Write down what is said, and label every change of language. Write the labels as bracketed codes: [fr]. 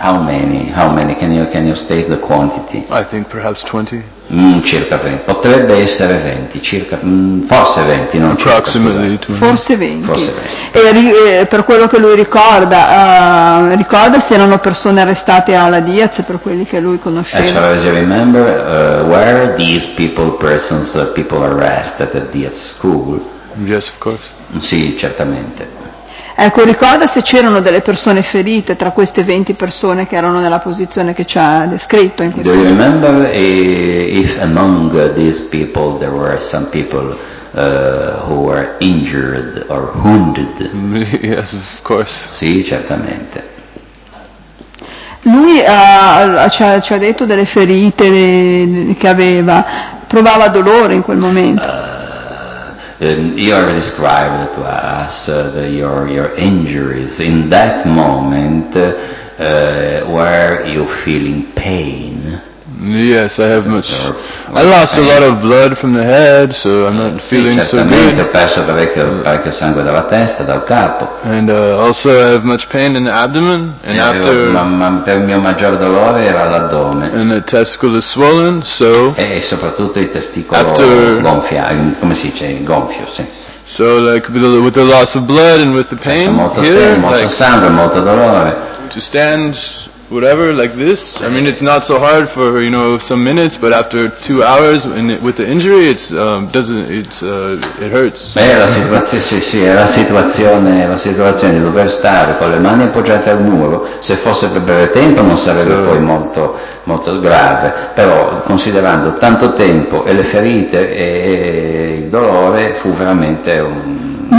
[en] How many? Can you state the quantity? I think perhaps 20. [it] Circa 20. Potrebbe essere 20, circa, forse 20, non c'è. [en] Approximately 20. [it] Forse 20. E per quello che lui ricorda, ricorda se erano persone arrestate alla Diaz, per quelli che lui conosceva. [en] As far as you remember, were these persons arrested at Diaz School? Yes, of course. [it] Sì, certamente. Ecco, ricorda se c'erano delle persone ferite tra queste 20 persone che erano nella posizione che ci ha descritto in questo momento. [en] Do you remember if among these people there were some people who were injured or wounded? Yes, of course. [it] Sì, certamente. Lui ci ha detto delle ferite che aveva, provava dolore in quel momento. [en] You are described to us your injuries in that moment. Were you feeling pain? Yes, I have much. I lost a lot of blood from the head, so I'm not feeling so good. [it] Certamente, ho perso parecchio sangue dalla testa, dal capo. [en] And also, I have much pain in the abdomen. And after, [it] il mio maggior dolore era l'addome. [en] And the testicle is swollen, so. [it] E soprattutto il testicolo gonfia, come si dice, gonfio, sì. [en] So, like with the loss of blood and with the pain here, [it] molto sangue, molto dolore. [en] To stand. Whatever, like this. I mean, it's not so hard for, you know, some minutes, but after 2 hours with the injury, it hurts. [it] Beh, la situazione, sì, è la situazione di dover stare con le mani appoggiate al muro. Se fosse per breve tempo, non sarebbe poi molto, molto grave. Però, considerando tanto tempo e le ferite e il dolore, fu veramente un.